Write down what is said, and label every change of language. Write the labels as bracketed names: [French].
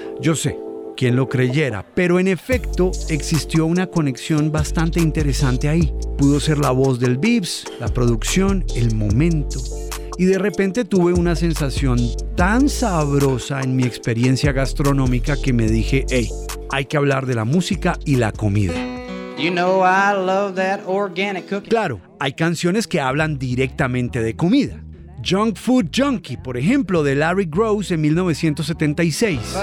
[Spanish] Yo sé, quién lo creyera, pero en efecto existió una conexión bastante interesante ahí. Pudo ser la voz del Biebs, la producción, el momento. Y de repente tuve una sensación tan sabrosa en mi experiencia gastronómica que me dije, hey, hay que hablar de la música y la comida. [English] You know I love that organic cooking. [Spanish] Claro, hay canciones que hablan directamente de comida. Junk Food Junkie, por ejemplo, de Larry Gross en 1976.